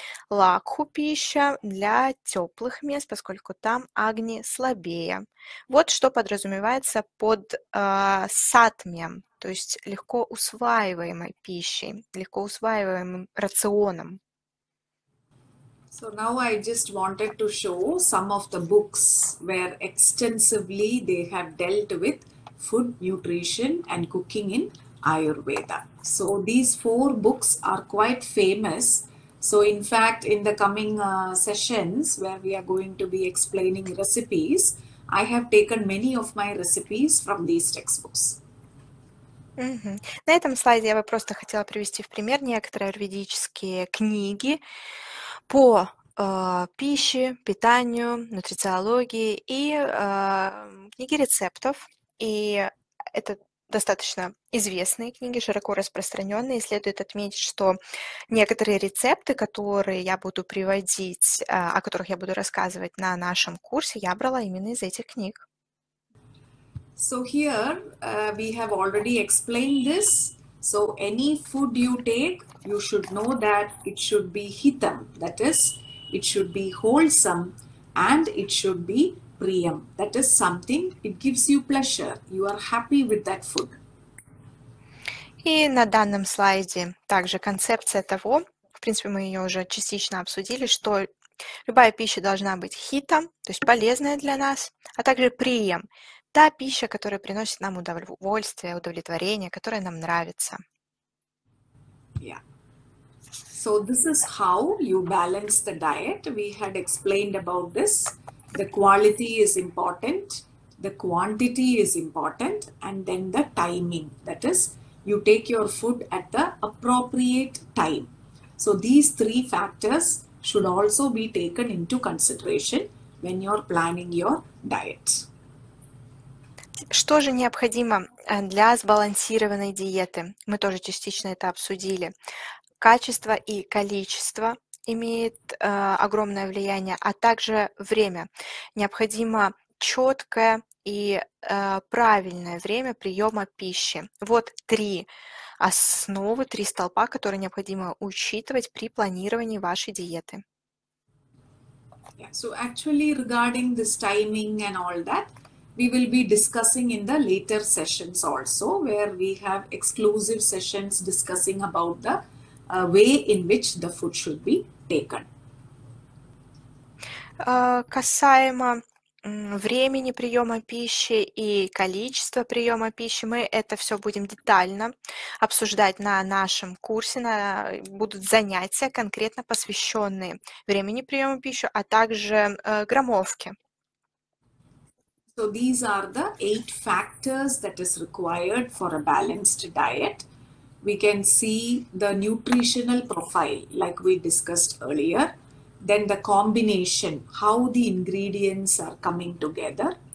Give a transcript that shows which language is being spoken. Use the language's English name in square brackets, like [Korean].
[Russian] Лакху пища для теплых мест, поскольку там Агни слабее. Вот что подразумевается под сатмием, то есть легко усваиваемой пищей, легко усваиваемым рационом. [English] So now I just wanted to show some of the books where extensively they have dealt with food, nutrition and cooking in Ayurveda. So these four books are quite famous. So in fact, in the coming sessions where we are going to be explaining recipes, I have taken many of my recipes from these textbooks. Mm-hmm. [Russian] На этом слайде я бы просто хотела привести в пример некоторые аюрведические книги по пище, питанию, нутрициологии и книги рецептов. И это достаточно известные книги, широко распространенные. И следует отметить, что некоторые рецепты, которые я буду приводить, о которых я буду рассказывать на нашем курсе, я брала именно из этих книг. [English] So here we have already explained this. So any food you take, you should know that it should be hitam, that is, it should be wholesome, and it should be priyam, that is something, it gives you pleasure, you are happy with that food. [Russian] И на данном слайде также концепция того, в принципе, мы ее уже частично обсудили, что любая пища должна быть хитам, то есть полезная для нас, а также прием. Та пища, которая приносит нам удовольствие, удовлетворение, которое нам нравится. Yeah. [English] So this is how you balance the diet. We had explained about this. The quality is important, the quantity is important, and then the timing. That is, you take your food at the appropriate time. So these three factors should also be taken into consideration when you're planning your diet. [Russian] Что же необходимо для сбалансированной диеты? Мы тоже частично это обсудили. Качество и количество имеет огромное влияние, а также время. Необходимо четкое и правильное время приема пищи. Вот три основы, три столпа, которые необходимо учитывать при планировании вашей диеты. Yeah. [English] So actually regarding this timing and all that, we will be discussing in the later sessions also, where we have exclusive sessions discussing about the way in which the food should be taken. [Russian] Касаемо времени приема пищи и количества приема пищи, мы это все будем детально обсуждать на нашем курсе, будут занятия, конкретно посвященные времени приема пищи, а также граммовке. [English] So these are the eight factors that is required for a balanced diet. We can see the nutritional profile like we discussed earlier, then the combination, how the ingredients are coming together.